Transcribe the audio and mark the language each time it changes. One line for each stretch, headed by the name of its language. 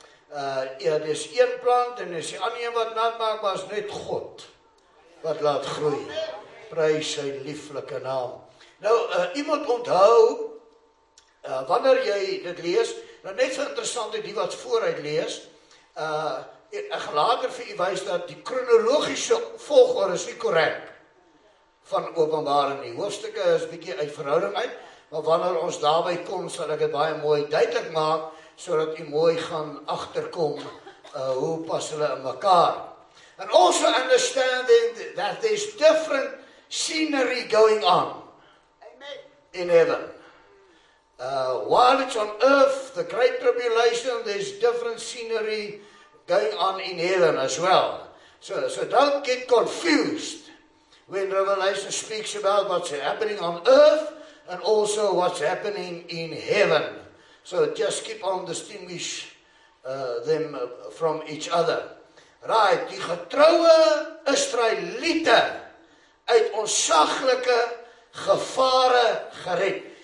Afrikaans: Ja, dit is een plant, en dit is die ander een wat nat maak, maar is net God, wat laat groei, prijs sy lieflike naam. Nou, iemand onthou, wanneer jy dit lees, nou net vir interessante die wat vooruit lees, ek later vir u wys dat die chronologische volgorde is nie correct van Openbaring nie. Hoofstukke is bykie uit verhouding uit, maar wanneer ons daarby kom, sal ek het baie mooi duidelik maak, so dat u mooi gaan achterkom, hoe pas hulle in mekaar.
English: And also understand that there's different scenery going on. Amen. In heaven. While it's on earth, the great tribulation, there's different scenery going on in heaven as well. So don't get confused when Revelation speaks about what's happening on earth and also what's happening in heaven. So just keep on distinguish them from each other.
Afrikaans: Right, die getrouwe Israelite uit ontzaglike gevare gered.